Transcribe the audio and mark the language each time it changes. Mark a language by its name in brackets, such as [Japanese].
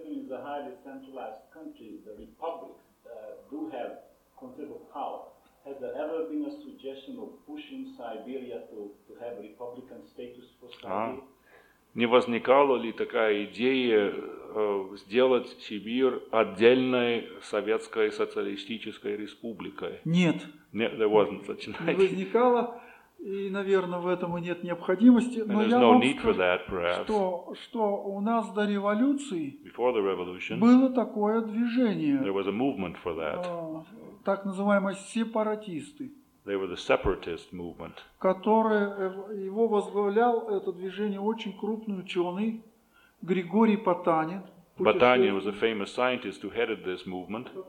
[English] The highly centralized country, the republic, do have considerable power. Has there ever been a suggestion of pushing Siberia to have republican status for Siberia? [Russian] Не возникала ли такая идея сделать Сибирь отдельной советской социалистической республикой? Нет. [English] There wasn't such an idea. [Russian] Не возникало. И, наверное, в этом и нет необходимости. [English] And [Russian] но я [English] no [Russian] вам скажу, [English] that, [Russian] что у нас до революции [English] the revolution, [Russian] было такое движение. [English] There was a movement for that. [Russian] Так называемые сепаратисты. [English] They were the separatist movement. [Russian] Которые, его возглавлял это движение очень крупный ученый Григорий Потанин. [English] Потанин was a famous scientist who headed this movement.